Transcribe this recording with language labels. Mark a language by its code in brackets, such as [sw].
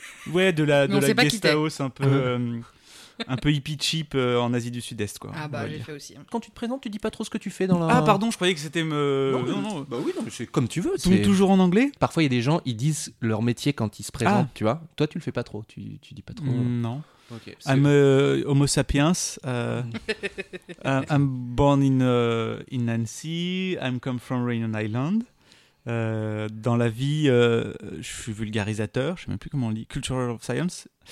[fr] Ouais, de la guest house un peu. un peu hippie cheap en Asie du Sud-Est, quoi. Ah bah, j'ai fait aussi. Quand tu te présentes, tu dis pas trop ce que tu fais dans la... Ah pardon, je croyais que c'était... Non. Bah oui, non, mais c'est comme tu veux. Donc toujours en anglais ? Parfois, il y a des gens, ils disent leur métier quand ils se présentent, tu vois. Toi, tu le fais pas trop, tu dis pas trop. Non. [en] Okay, I'm homo sapiens, I'm born in Nancy, I'm come from Rainon Island. [fr] Dans la vie, je suis vulgarisateur, je sais même plus comment on dit, [en] cultural of science.